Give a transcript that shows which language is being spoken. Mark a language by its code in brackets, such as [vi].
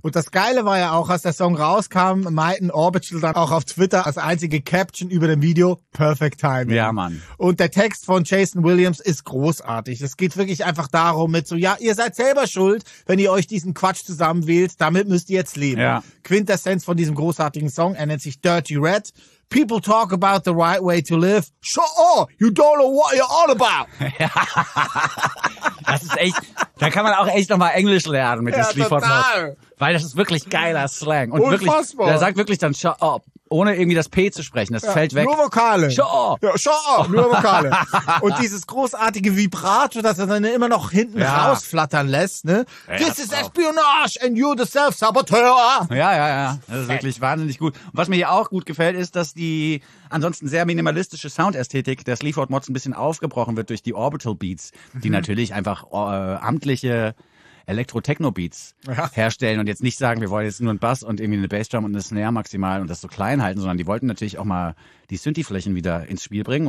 [de] Und das Geile war ja auch, als der Song rauskam, meinten Orbital dann auch auf Twitter als einzige Caption über dem Video, [en] perfect timing. [de] Ja, Mann. Und der Text von Jason Williams ist großartig. Es geht wirklich einfach darum mit so, ja, ihr seid selber schuld, wenn ihr euch diesen Quatsch zusammenwählt, damit müsst ihr jetzt leben. Ja. Quintessenz von diesem großartigen Song, er nennt sich Dirty Red. [en] People talk about the right way to live. Sure, you don't know what you're all about. [de] Das ist echt, da kann man auch echt nochmal Englisch lernen mit dem Sleaford Mods. Weil das ist wirklich geiler Slang. Und unfassbar. Wirklich, der sagt wirklich dann [en] shut up, [de] ohne irgendwie das P zu sprechen. Das fällt weg. Nur Vokale. [en] Shut up, [de] nur Vokale. Und dieses großartige Vibrato, das er dann immer noch hinten rausflattern lässt. Ne? Ja, [en] this is espionage and you the self-saboteur. [de] Ja. Das ist wirklich wahnsinnig gut. Und was mir hier auch gut gefällt, ist, dass die ansonsten sehr minimalistische Soundästhetik der Sleaford Mods ein bisschen aufgebrochen wird durch die Orbital Beats, die natürlich einfach amtliche Elektro-Techno-Beats herstellen und jetzt nicht sagen, wir wollen jetzt nur einen Bass und irgendwie eine Bassdrum und eine Snare maximal und das so klein halten, sondern die wollten natürlich auch mal die Synthi-Flächen wieder ins Spiel bringen.